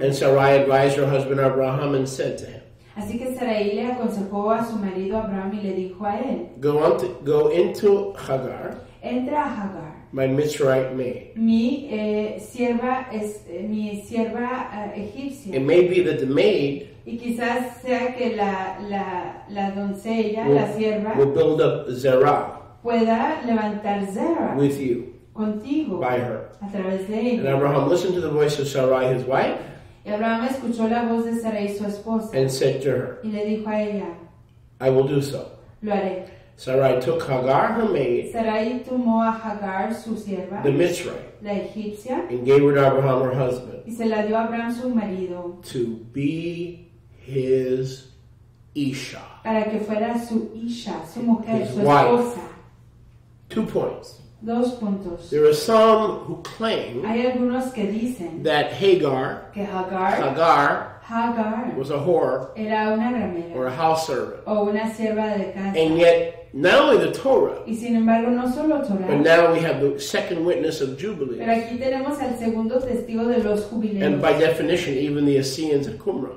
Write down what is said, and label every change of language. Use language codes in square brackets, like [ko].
[en] And Sarai advised her husband Abraham and said to him, [es] así que Sarai le aconsejó a su marido Abraham y le dijo a él, [en] go into Hagar. [es] Entra a Hagar. [en] My Mitzrayite maid. [es] Mi sierva egipcia. [en] It may be that the maid. [es] Y quizás sea que la doncella, la sierva. [en] Will build up Zerah. [es] Pueda levantar Zerah. [en] With you. [es] Contigo. [en] By her. [es] A través de ella. [en] And Abraham listened to the voice of Sarai, his wife. [es] Y Abraham escuchó la voz de Sarai, su esposa. [en] And said to her. [es] Y le dijo a ella. [en] I will do so. [es] Lo haré. [en] Sarai took Hagar, her maid, [es] Sarai tomó a Hagar, su sierva, [en] the Mitzrayite, [es] la egipcia, [en] and gave her to Abraham, her husband, [es] y se la dio a Abraham, su marido, [en] to be his isha, [es] para que fuera su isha, su mujer, his su wife. Esposa. [en] 2 points. [es] Dos puntos. [en] There are some who claim, [es] hay algunos que dicen, [en] that Hagar, [es] que Hagar, [en] Hagar, [es] Hagar [en] was a whore, [es] era una ramera, [en] or a house servant, [es] o una sierva de casa. [en] And yet, not only the Torah, [es] y sin embargo, no solo Torah, [en] but now we have the second witness of Jubilees. [es] Pero aquí tenemos el segundo testigo de los jubileos. [en] And by definition, even the Essenes of Qumran.